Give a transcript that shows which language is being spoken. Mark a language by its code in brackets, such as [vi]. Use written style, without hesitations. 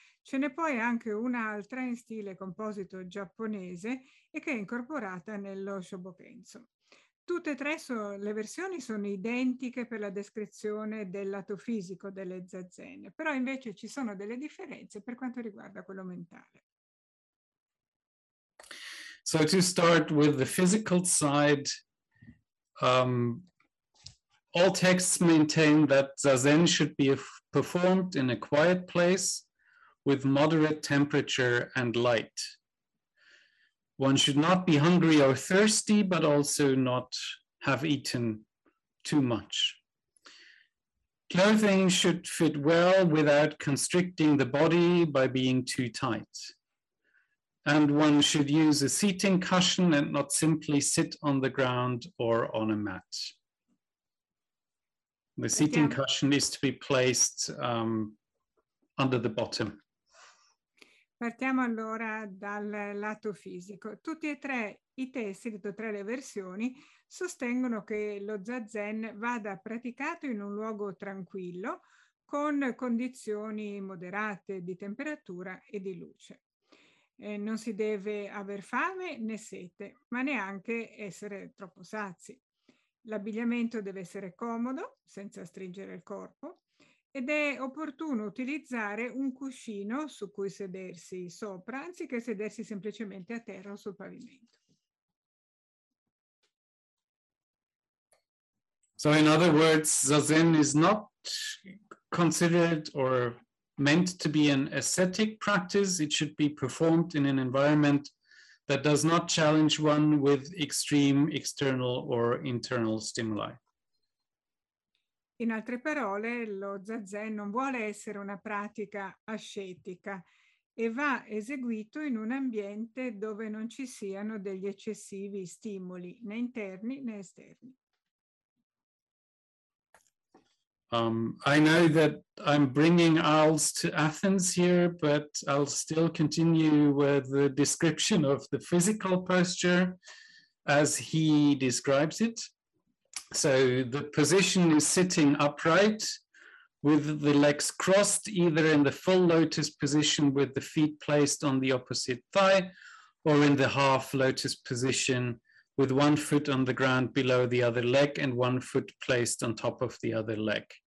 [it] Ce n'è poi anche un'altra in stile composito giapponese e che è incorporata nello Shobokenso. Tutte e tre le versioni sono identiche per la descrizione del lato fisico delle zazen, però invece ci sono delle differenze per quanto riguarda quello mentale. [en] So to start with the physical side, all texts maintain that zazen should be performed in a quiet place, with moderate temperature and light. One should not be hungry or thirsty, but also not have eaten too much. Clothing should fit well without constricting the body by being too tight. And one should use a seating cushion and not simply sit on the ground or on a mat. The seating cushion is to be placed under the bottom. [it] Partiamo allora dal lato fisico. Tutti e tre i testi, tutte e tre le versioni, sostengono che lo Zazen vada praticato in un luogo tranquillo, con condizioni moderate di temperatura e di luce. Non si deve aver fame né sete, ma neanche essere troppo sazi. L'abbigliamento deve essere comodo, senza stringere il corpo, ed è opportuno utilizzare un cuscino su cui sedersi sopra, anziché sedersi semplicemente a terra o sul pavimento. [en] So in other words, Zazen is not considered or meant to be an ascetic practice. It should be performed in an environment that does not challenge one with extreme external or internal stimuli. [it] In altre parole, lo Zazen non vuole essere una pratica ascetica e va eseguito in un ambiente dove non ci siano degli eccessivi stimoli, né interni né esterni. [en] I know that I'm bringing owls to Athens here, but I'll still continue with the description of the physical posture as he describes it. So the position is sitting upright with the legs crossed, either in the full lotus position with the feet placed on the opposite thigh, or in the half lotus position with one foot on the ground below the other leg and one foot placed on top of the other leg.